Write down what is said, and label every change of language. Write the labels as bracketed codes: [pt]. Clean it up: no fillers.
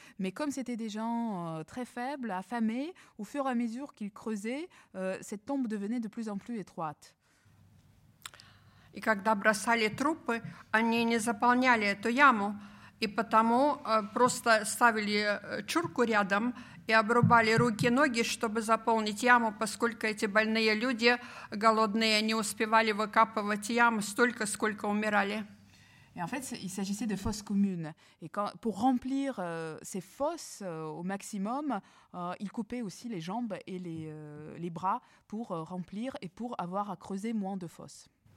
[fr] Mais comme c'était des gens très faibles, affamés, au fur et à mesure qu'ils creusaient, cette tombe devenait de plus en plus étroite. [ru] И когда бросали трупы, они не заполняли эту яму, и потому просто ставили чурку рядом и обрубали руки, ноги, чтобы заполнить яму, поскольку эти больные люди, голодные, не успевали выкапывать яму столько, сколько умирали. [fr] Et en fait, il s'agissait de fosses communes. Et pour remplir ces fosses au maximum, ils coupaient aussi les jambes et les bras pour remplir et pour avoir à creuser moins de fosses.